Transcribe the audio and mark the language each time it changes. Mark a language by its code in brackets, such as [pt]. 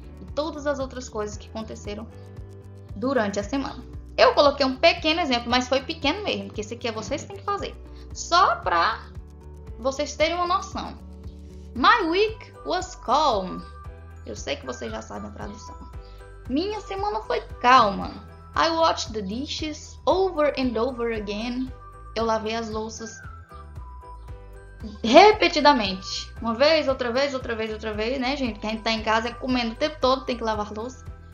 [pt] E todas as outras coisas que aconteceram durante a semana. Eu coloquei um pequeno exemplo, mas foi pequeno mesmo, porque esse aqui é vocês que têm que fazer. Só para vocês terem uma noção. [en] My week was calm. [pt] Eu sei que vocês já sabem a tradução. Minha semana foi calma. [en] I washed the dishes over and over again. [pt] Eu lavei as louças repetidamente, uma vez, outra vez, outra vez, outra vez, né, gente? Quem tá em casa é comendo o tempo todo, tem que lavar louça.